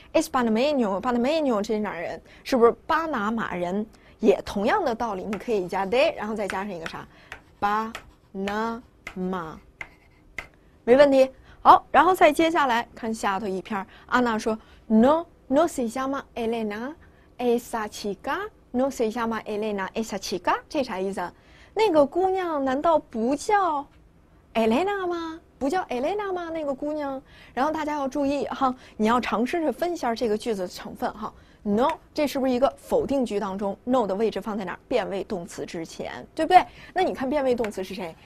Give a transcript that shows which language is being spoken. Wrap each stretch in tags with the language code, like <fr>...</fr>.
<es>es panameño,</es> <zh>panameño 这是哪人？是不是巴拿马人？也同样的道理，你可以加 de， 然后再加上一个啥？巴拿马，没问题。好，然后再接下来看下头一篇。</zh> <es>阿娜说 ：No, no se llama Elena, esa chica. No se llama Elena, esa chica， 这啥意思？”</es> <zh>那个姑娘难道不叫 Elena 吗？不叫 Elena 吗？那个姑娘，然后大家要注意哈，你要尝试着分一下这个句子的成分哈。 No， 这是不是一个否定句当中 No 的位置放在哪儿？变位动词之前，对不对？那你看变位动词是谁？</zh>